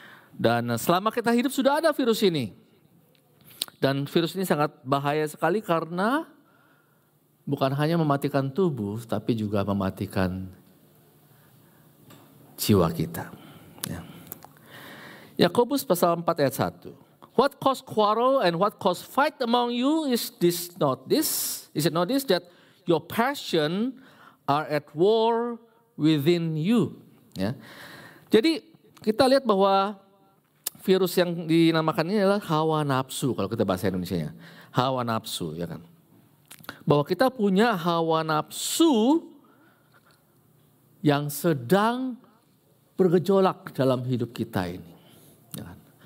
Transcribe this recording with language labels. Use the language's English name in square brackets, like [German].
[Indonesian] Dan selama kita hidup sudah ada virus ini. Dan virus ini sangat bahaya sekali karena bukan hanya mematikan tubuh, tapi juga mematikan jiwa kita. Ya. Yakobus pasal 4 ayat 1. [English] What cause quarrel and what cause fight among you? Is it not this that your passion are at war within you? [Indonesian] Ya. Jadi kita lihat bahwa virus yang dinamakan ini adalah hawa nafsu kalau kita bahasa Indonesianya. Hawa nafsu, ya kan? Bahwa kita punya hawa nafsu yang sedang bergejolak dalam hidup kita ini. Ya kan?